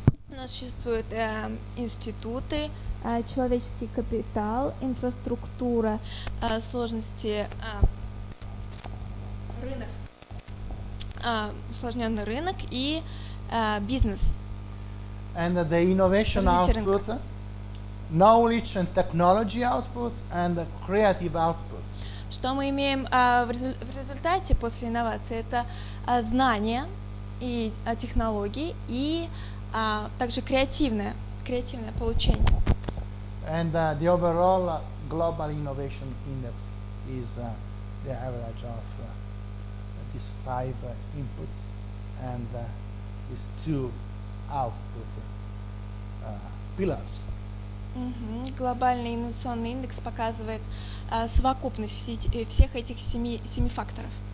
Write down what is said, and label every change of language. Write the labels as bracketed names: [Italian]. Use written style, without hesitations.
[Russian] У нас существуют институты, человеческий капитал, инфраструктура, сложности рынок, усложненный рынок и бизнес. [English] And the innovation output, knowledge and technology outputs, and creative outputs. [Russian] Что мы имеем в результате после инновации? Это знания и технологии и также креативное получение. [English] And the overall global innovation index is the average of these 5 inputs and these 2 output pillars. [Russian] Глобальный инновационный индекс показывает совокупность всех этих семи факторов.